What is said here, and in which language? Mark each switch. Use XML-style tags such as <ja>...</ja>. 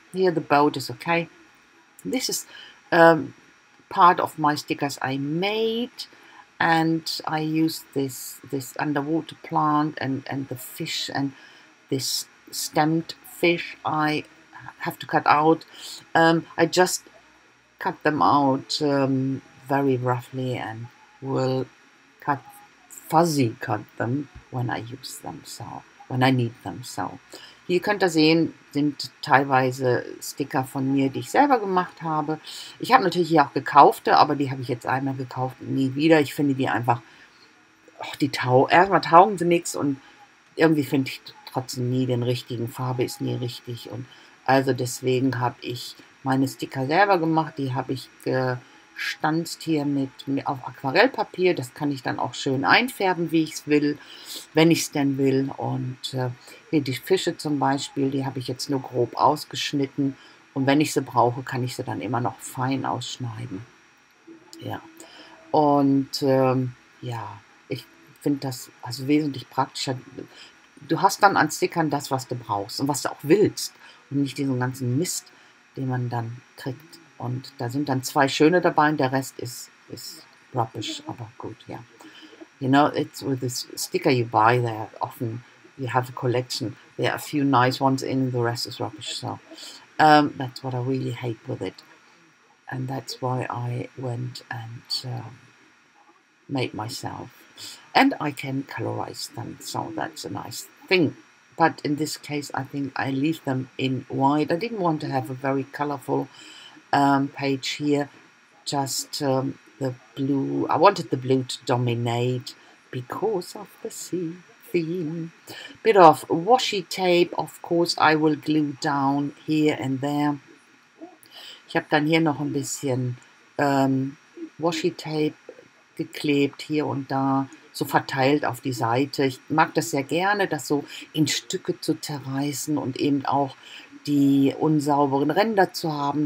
<en>Here the boat is okay. This is part of my stickers I made, and I used this underwater plant and the fish and this stemmed fish I have to cut out. I just cut them out very roughly and will fuzzy cut them when I use them, so when I need them.</en> <de>So hier könnt ihr sehen, sind teilweise Sticker von mir, die ich selber gemacht habe. Ich habe natürlich hier auch gekaufte, aber die habe ich jetzt einmal gekauft und nie wieder. Ich finde die einfach, erstmal taugen sie nichts und irgendwie finde ich trotzdem nie den richtigen, Farbe ist nie richtig. Und also deswegen habe ich meine Sticker selber gemacht, die habe ich gestanzt hier mit auf Aquarellpapier. Das kann ich dann auch schön einfärben, wie ich es will, wenn ich es denn will. Und hier die Fische zum Beispiel, die habe ich jetzt nur grob ausgeschnitten. Und wenn ich sie brauche, kann ich sie dann immer noch fein ausschneiden. Ja. Und ja, ich finde das also wesentlich praktischer. Du hast dann an Stickern das, was du brauchst und was du auch willst. Und nicht diesen ganzen Mist, den man dann kriegt. Und da sind dann zwei schöne dabei und der Rest ist rubbish, aber gut, ja.</de> <en>You know, it's with this sticker you buy, they are often, you have a collection, there are a few nice ones in, the rest is rubbish, so. That's what I really hate with it. And that's why I went and made myself. And I can colorize them, so that's a nice thing. But in this case, I think I leave them in white. I didn't want to have a very colorful page here, just the blue. I wanted the blue to dominate because of the sea theme. Bit of washi tape, of course, I will glue down here and there.</en> <de>Ich habe dann hier noch ein bisschen washi tape geklebt, hier und da, so verteilt auf die Seite. Ich mag das sehr gerne, das so in Stücke zu zerreißen und eben auch die unsauberen Ränder zu haben.</de>